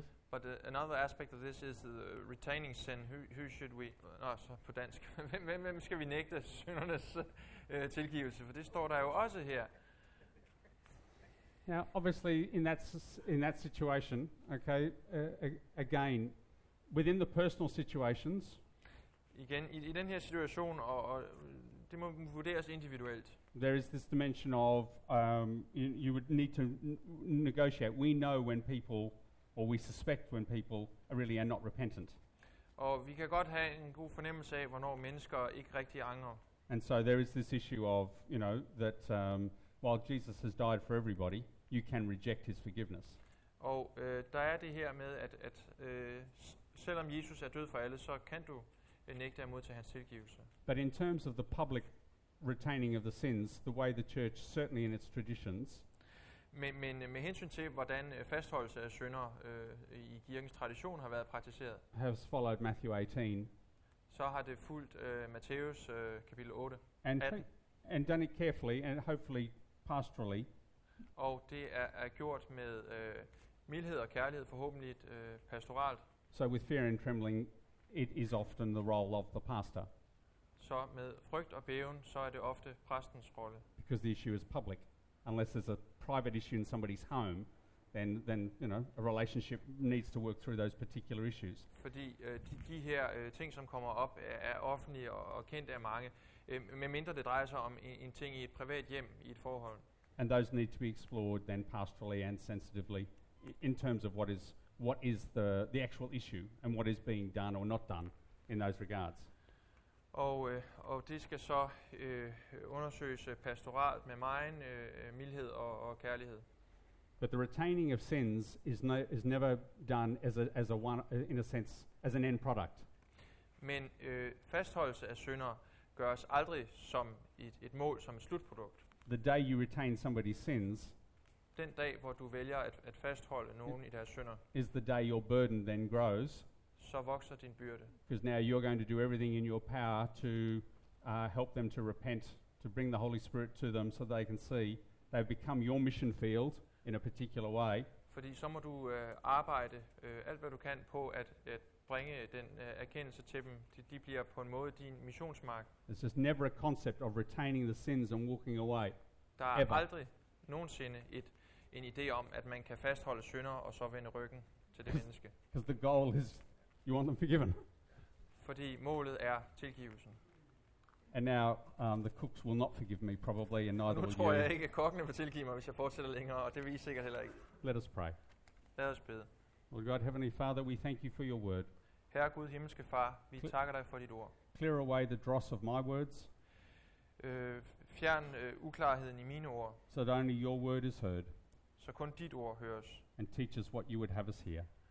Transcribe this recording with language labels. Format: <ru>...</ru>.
<en>But another aspect of this is retaining sin. Who should we?</en> <da>Så på dansk. Hvem skal vi nægte syndernes tilgivelse? For det står der jo også her.</da> <en>Now, obviously, in that situation, okay, again, within the personal situations.</en> <da>Again, i den her situation, og det må vurderes individuelt.</da> <en>There is this dimension of you would need to negotiate. We know when people, or we suspect when people, really are not repentant.</en> <da>Og vi kan godt have en god fornemmelse af, hvornår mennesker ikke rigtig angrer.</da> <en>And so there is this issue of, you know, that while Jesus has died for everybody, you can reject his forgiveness.</en> <da>Og der er det her med at selvom Jesus er død for alle, så kan du nægte at modtage hans tilgivelse.</da> <en>But in terms of the public retaining of the sins the way the church certainly in its traditions.</en> <da>Men med hensyn til hvordan fastholdelse af synder i kirkens tradition har været praktiseret.</da> <en>Has followed Matthew 18.</en> <da>Så har det fulgt Matthæus kapitel 8.</da> <en>And done it carefully and hopefully pastorally.</en> <da>Og det er gjort med mildhed og kærlighed, forhåbentlig pastoralt.</da> <en>So with fear and trembling it is often the role of the pastor.</en> <da>Så med frygt og bæven så er det ofte præstens rolle.</da> <en>Because the issue is public. Unless there's a private issue in somebody's home, then you know a relationship needs to work through those particular issues.</en> <da>Fordi de her ting som kommer op er offentlige og kendt af mange, medmindre det drejer sig om en ting i et privat hjem i et forhold.</da> <en>And those need to be explored then pastorally and sensitively in terms of what is the actual issue and what is being done or not done in those regards.</en> <da>Og det skal så undersøges pastoralt med megen mildhed og kærlighed.</da> <en>But the retaining of sins is never done as a one in a sense as an end product.</en> <da>Men fastholdelse af synder gøres aldrig som et mål, som et slutprodukt.</da> <en>The day you retain somebody's sins,</en> <da>den dag hvor du vælger at fastholde nogen i deres synder,</da> <en>is the day your burden then grows.</en> <da>Så vokser din byrde.</da> <en>Because now you're going to do everything in your power to help them to repent, to bring the Holy Spirit to them so they can see they've become your mission field in a particular way.</en> <da>Fordi så må du arbejde alt hvad du kan på at bringe den erkendelse til dem. De bliver på en måde din missionsmark.</da> <en>It's just never a concept of retaining the sins and walking away.</en> <da>Der er aldrig nogensinde en idé om at man kan fastholde synder og så vende ryggen til det menneske.</da> <en>Because the goal is you want them forgiven.</en> <da>Fordi målet er tilgivelsen.</da> <en>And now the cooks will not forgive me probably and neither will you.</en> <da>Nu tror jeg ikke at kokkene vil tilgive mig hvis jeg fortsætter længere, og det vil I sikkert heller ikke.</da> <en>Let us pray.</en> <da>Lad os bede.</da> <en>Lord God, Heavenly Father, we thank you for your word.</en> <da>Herre Gud, himmelske far, vi takker dig for dit ord.</da> <en>Clear away the dross of my words.</en> <da>Fjern uklarheden i mine ord.</da> <en>So that only your word is heard.</en> <da>Så kun dit ord høres.</da> <en>And teach us what you would have us hear.</en>